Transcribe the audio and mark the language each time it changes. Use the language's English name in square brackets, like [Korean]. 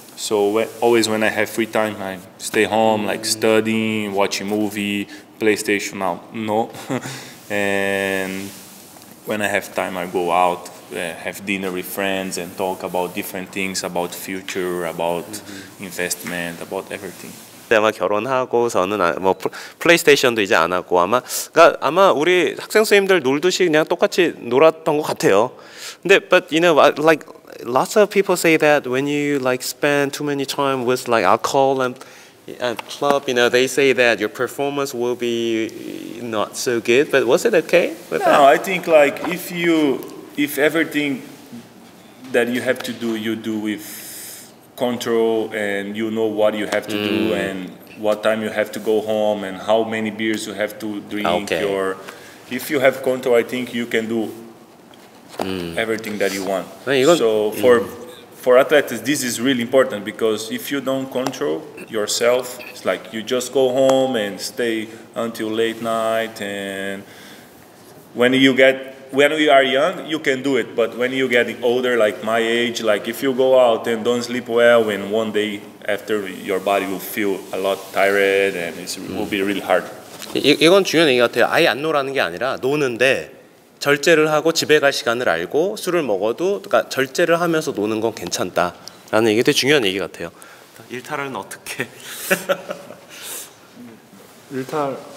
[English] So always when I have free time, I stay home, like studying, watching movie, PlayStation now, no. And when I have time, I go out, have dinner with friends and talk about different things, about future, about investment, about everything. [Korean] 아마 결혼하고서는 뭐 플레이스테이션도 이제 안 하고 아마 우리 학생 선생님들 놀듯이 그냥 똑같이 놀았던 것 같아요. [English] 근데 but you know like lots of people say that when you like spend too many time with like alcohol and club, you know, they say that your performance will be not so good. But was it okay? With no, that? I think like if everything that you have to do, you do with control and you know what you have to do and what time you have to go home and how many beers you have to drink. Okay. Or if you have control, I think you can do everything that you want. [Korean] 아니, 이건, [English] so for for athletes, this is really important because if you don't control yourself, it's like you just go home and stay until late night. And when you get when we are young, you can do it. But when you get older, like my age, like if you go out and don't sleep well, and one day after your body will feel a lot tired and it will be really hard. [Korean] 이건 중요한 얘기 같아요. 아예 안 노라는 게 아니라 노는데 절제를 하고 집에 갈 시간을 알고 술을 먹어도 그러니까 절제를 하면서 노는 건 괜찮다라는 얘기도 중요한 얘기 같아요. 일탈은 어떻게? 일탈